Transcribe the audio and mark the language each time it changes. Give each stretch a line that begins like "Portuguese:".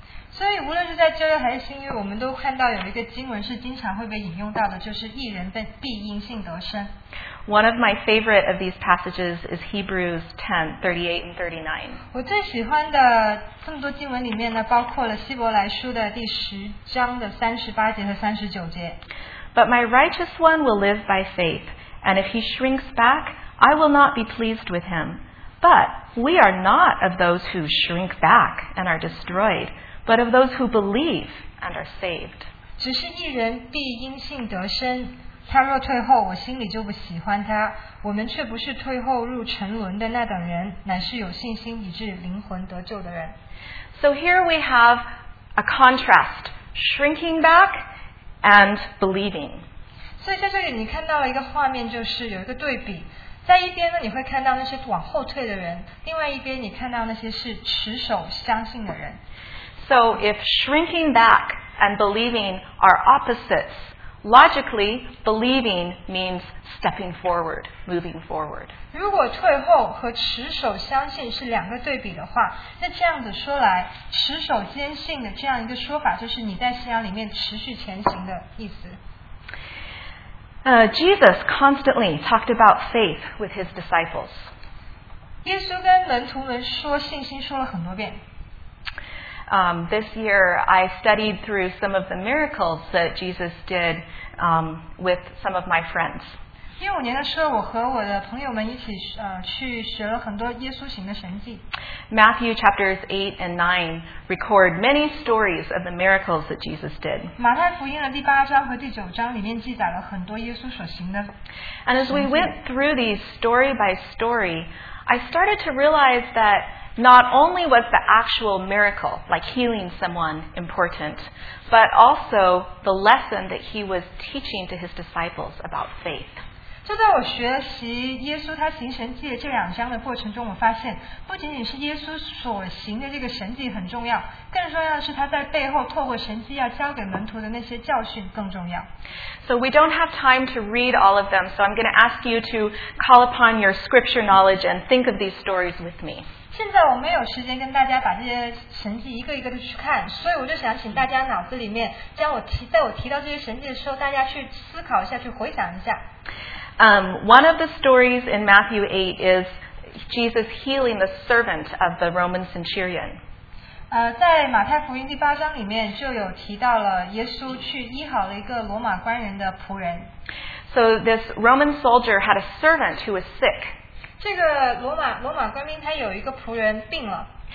Chinese: So, 无论是在旧约还是新约，我们都看到有一个经文是经常会被引用到的，就是义人必因信得生。
English: One of my favorite of these passages is Hebrews 10:38-39.
Chinese: 我最喜欢的这么多经文里面呢，包括了希伯来书的第十章的38节和39节。
English: But my righteous one will live by faith, and if he shrinks back, I will not be pleased with him. But we are not of those who shrink back and are destroyed, but of those who believe and are saved.
Chinese: 只是义人必因信得生，他若退后，我心里就不喜欢他。我们却不是退后入沉沦的那等人，乃是有信心以致灵魂得救的人。
English: So here we have a contrast, shrinking back and believing.
Chinese: 所以在这里你看到了一个画面，就是有一个对比。在一边呢，你会看到那些往后退的人；另外一边，你看到那些是持守相信的人。
English: So if shrinking back and believing are opposites,Logically, believing means stepping forward, moving forward.
Chinese: 如果退后和持守相信是两个对比的话，那这样子说来，持守坚信的这样一个说法，就是你在信仰里面持续前行的意思。
English: Jesus constantly talked about faith with his disciples.
Chinese: 耶稣跟门徒们说信心说了很多遍。
English: This year, I studied through some of the miracles that Jesus did with some of my friends.
Chinese: 15年的时候，我和我的朋友们一起去学了很多耶稣行的神迹。
English: Matthew chapters 8 and 9 record many stories of the miracles that Jesus did.
Chinese: 马太福音的第八章和第九章里面记载了很多耶稣所行的。
English: And as we went through these story by story, I started to realize that. Not only was the actual miracle, like healing someone, important, but also the lesson that he was teaching to his disciples about faith.
Chinese: 就在我学习耶稣他行神迹的这两章的过程中，我发现不仅仅是耶稣所行的这个神迹很重要，更重要的是他在背后透过神迹要教给门徒的那些教训更重要。
English: So we don't have time to read all of them, so I'm going to ask you to call upon your scripture knowledge and think of these stories with me.
Chinese: 现在我没有时间跟大家把这些神迹一个一个的去看，所以我就想请大家脑子里面将我提在我提到这些神迹的时候，大家去思考一下，去回想一下。
English: One of the stories in Matthew 8 is Jesus healing the servant of the Roman centurion.
Chinese: 在马太福音第八章里面就有提到了耶稣去医好了一个罗马官人的仆人。
English: So this Roman soldier had a servant who was sick.
Chinese: 这个罗马官兵他有一个仆人病了。